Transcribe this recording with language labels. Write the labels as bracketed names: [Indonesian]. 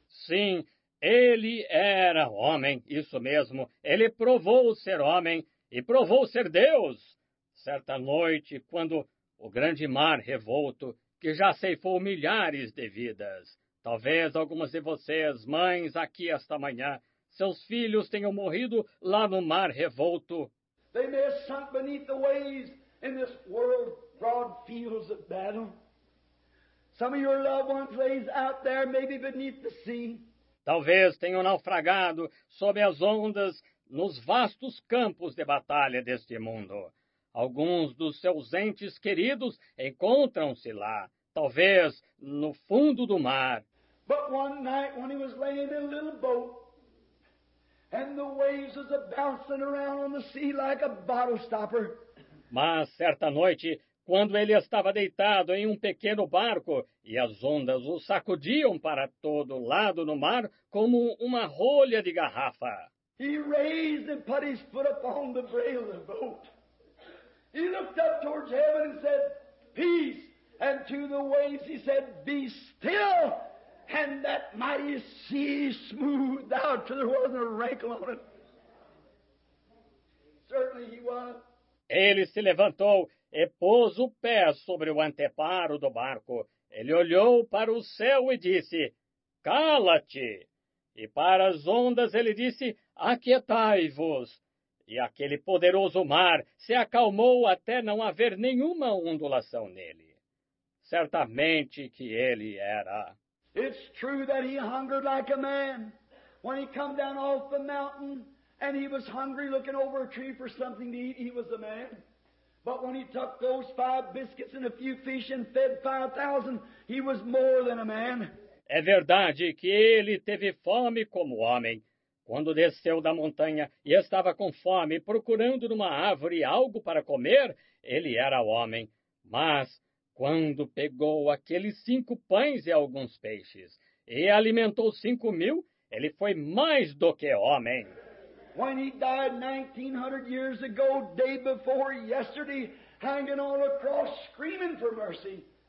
[Portuguese] Sim. Ele era homem, isso mesmo. Ele provou ser homem e provou ser Deus. Certa noite, quando o grande mar revolto, que já ceifou milhares de vidas, talvez algumas de vocês, mães, aqui esta manhã, seus filhos tenham morrido lá no mar revolto. [English] They may have sunk beneath the waves in this world broad fields of battle. Some of your loved ones lay out there, maybe beneath the sea. [Portuguese] Talvez tenham naufragado sob as ondas nos vastos campos de batalha deste mundo. Alguns dos seus entes queridos encontram-se lá, talvez no fundo do mar. [English] But one night when he was laying in a little boat, and the waves was bouncing around on the sea like a bottle stopper. [Portuguese] Mas certa noite, quando ele estava deitado em um pequeno barco e as ondas o sacudiam para todo lado no mar como uma rolha de garrafa. [English] He raised and put his foot upon the rail of the boat. He looked up towards heaven and said, peace. And to the waves he said, be still. And that mighty sea smoothed out till there wasn't a wrinkle on it. Certainly he was. [Portuguese] Ele se levantou e pôs o pé sobre o anteparo do barco. Ele olhou para o céu e disse, cala-te! E para as ondas ele disse, aquietai-vos! E aquele poderoso mar se acalmou até não haver nenhuma ondulação nele. Certamente que ele era. [English] It's true that he hungered like a man when he come down off the mountain and he was hungry looking over a tree for something to eat, he was a man. But when he took those five biscuits and a few fish and fed 5,000, he was more than a man. [Portuguese] É verdade que ele teve fome como homem. Quando desceu da montanha e estava com fome, procurando numa árvore algo para comer, ele era homem. Mas quando pegou aqueles 5 pães e alguns peixes e alimentou 5.000, ele foi mais do que homem. [English] When he died 1900 years ago, day before yesterday, hanging on a cross, screaming for mercy.